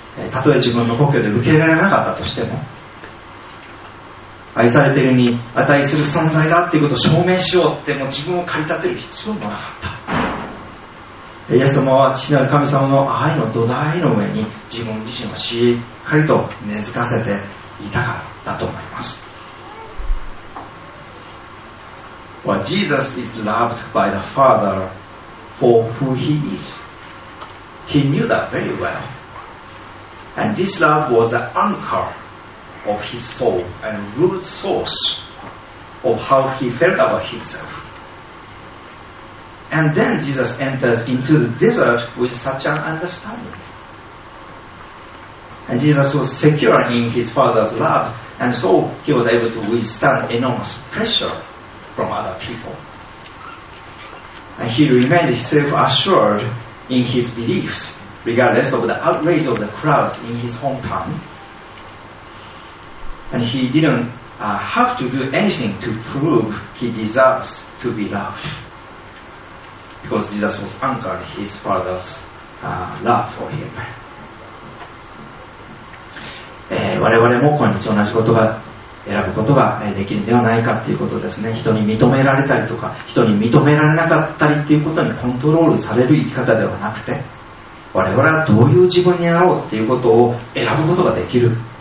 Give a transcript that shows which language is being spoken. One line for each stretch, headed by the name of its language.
Japanese: たとえ自分の故郷で受け入れられなかったとしても、愛されているに値する存在だということを証明しようって、もう自分を駆り立てる必要もなかった。イエス様は父なる神様の愛の土台の上に自分自身をしっかりと根付かせていたからだと思います。
English: Well, Jesus is loved by the Father for who he is. He knew that very well. And this love was the anchor of his soul and root source of how he felt about himselfAnd then Jesus enters into the desert with such an understanding. And Jesus was secure in his Father's love, and so he was able to withstand enormous pressure from other people. And he remained self-assured in his beliefs, regardless of the outrage of the crowds in his hometown. And he didn't have to do anything to prove he deserves to be loved. Because Jesus was anchored his father's love for him.
Japanese: 我々も今日同じことが選ぶことができるんではないかということですね。人に認められたりとか、人に認められなかったりということにコントロールされる生き方ではなくて、我々はどういう自分になろうということを選ぶことができる。